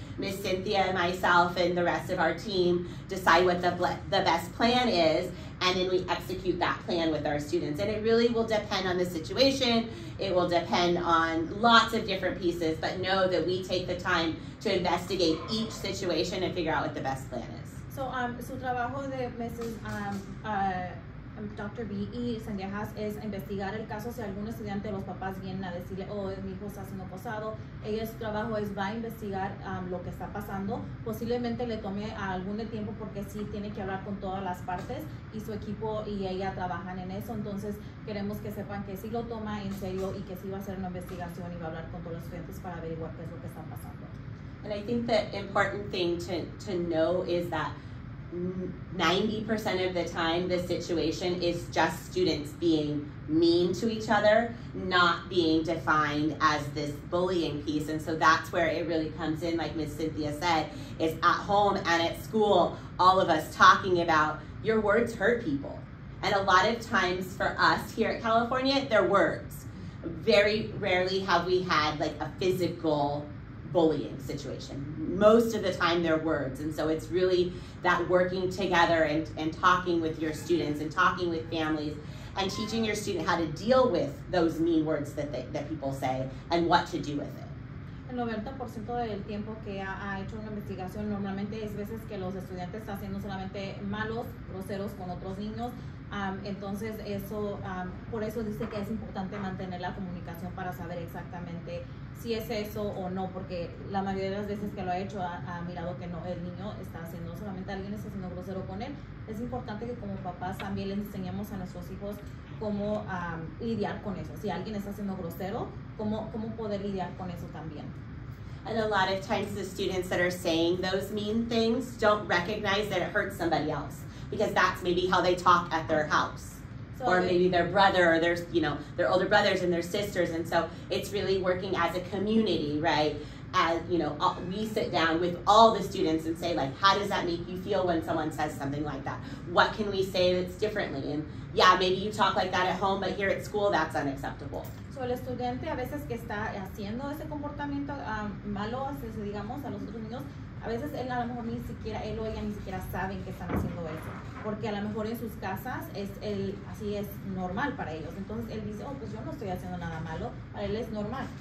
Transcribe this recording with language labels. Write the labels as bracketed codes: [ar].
[en] Miss Cynthia, myself, and the rest of our team decide what the best plan is, and then we execute that plan with our students. And it really will depend on the situation. It will depend on lots of different pieces, but know that we take the time to investigate each situation and figure out what the best plan is. [es] So su trabajo de Mrs. Dr. B y Sandejas es investigar el caso si algún estudiante o los papás vienen a decirle, oh, mi hijo está siendo acosado. Ella su trabajo es va a investigar lo que está pasando. Posiblemente le tome algún de tiempo porque sí tiene que hablar con todas las partes y su equipo y ella trabajan en eso. Entonces queremos que sepan que sí lo toma en serio y que sí va a hacer una investigación y va a hablar con todos los estudiantes para averiguar qué es lo que está pasando. [en] And I think the important thing to know is that 90% of the time the situation is just students being mean to each other, not being defined as this bullying piece. And so that's where it really comes in, like Ms. Cynthia said, is at home and at school, all of us talking about your words hurt people. And a lot of times for us here at California, they're words. Very rarely have we had like a physical bullying situation. Most of the time they're words. And so it's really that working together and talking with your students and talking with families and teaching your student how to deal with those mean words that that people say and what to do with it. [es] El 90% del tiempo que ha hecho una investigación normalmente es veces que los estudiantes están siendo solamente malos, groseros con otros niños. Entonces eso, por eso dice que es importante mantener la comunicación para saber exactamente si es eso o no, porque la mayoría de las veces que lo ha hecho ha mirado que no, el niño está haciendo, solamente alguien está haciendo grosero con él. Es importante que como papás también les enseñemos a nuestros hijos cómo lidiar con eso. Si alguien está haciendo grosero, cómo poder lidiar con eso también. [en] And a lot of times the students that are saying those mean things don't recognize that it hurts somebody else, because that's maybe how they talk at their house. Or maybe their brother or their, you know, their older brothers and their sisters. And so it's really working as a community, right? As, you know, we sit down with all the students and say, like, how does that make you feel when someone says something like that? What can we say that's differently? And yeah, maybe you talk like that at home, but here at school, that's unacceptable. [es] So el estudiante a veces que está haciendo ese comportamiento malo, digamos, a los otros niños, a veces él a lo mejor ni siquiera, él o ella ni siquiera saben que están haciendo eso. Porque a lo mejor en sus casas es el, así es normal para ellos. Entonces él dice, oh, pues yo no estoy haciendo nada malo. Para él es normal.